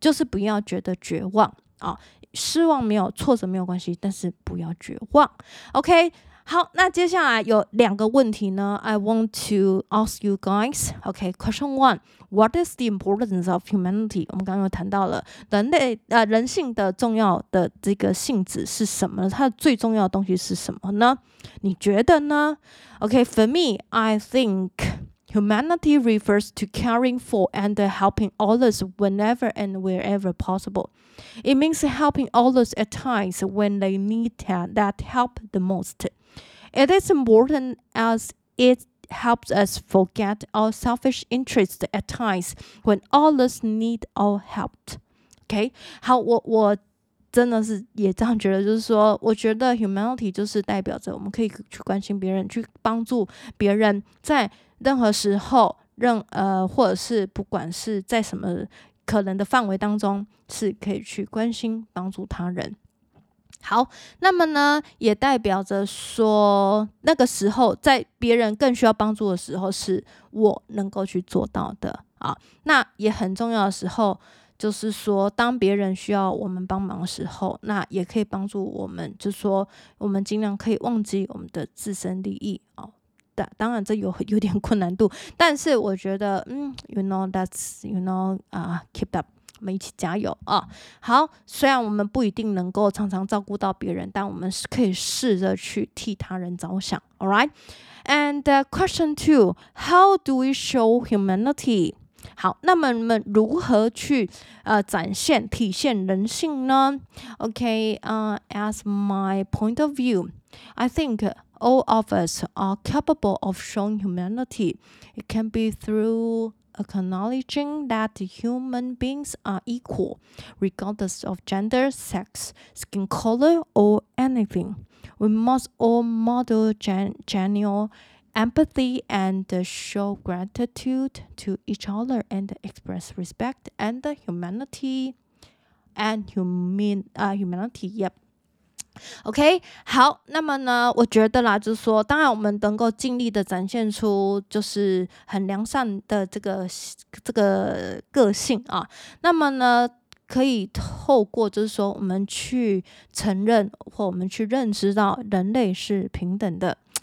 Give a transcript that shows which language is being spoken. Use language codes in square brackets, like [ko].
[zh] 不要觉得绝望啊，失望没有，挫折没有关系，但是不要绝望。 OK， 好，那接下来有两个问题呢 ， [en] I want to ask you guys。 OK， question one， What is the importance of humanity？ [zh] 我们刚刚有谈到了人性的重要的这个性质是什么呢？它最重要的东西是什么呢？你觉得呢 [en] ？OK， for me， I think humanity refers to caring for and helping others whenever and wherever possible。 It means helping others at times when they need that help the most。 It is important as it helps us forget our selfish interests at times when others need our help. [zh] Okay， 好，我真的是也这样觉得，就是说，我觉得 humanity 就是代表着我们可以去关心别人，去帮助别人，在任何时候，或者是不管是在什么可能的范围当中，是可以去关心帮助他人。好，那么呢也代表着说那个时候在别人更需要帮助的时候是我能够去做到的啊。那也很重要的时候就是说当别人需要我们帮忙的时候，那也可以帮助我们，就是说我们尽量可以忘记我们的自身利益啊。当然这有点困难度，但是我觉得 [en] you know that's keep up [zh] 我们一起加油啊！好，虽然我们不一定能够常常照顾到别人，但我们是可以试着去替他人着想。 [en] All right, and question two: How do we show humanity? [zh] 好，那么你们如何去展现、体现人性呢 [en] ？Okay, as my point of view, I think. All of us are capable of showing humanity. It can be through acknowledging that human beings are equal, regardless of gender, sex, skin color, or anything. We must all model genuine empathy and show gratitude to each other and express respect and humanity. And humanity, yep. [zh] OK, 好，那么呢，我觉得啦，就是说，当然我们能够尽力的展现出就是很良善的这个个性啊，那么呢，可以透过就是说，我们去承认或我们去认知到人类是平等的。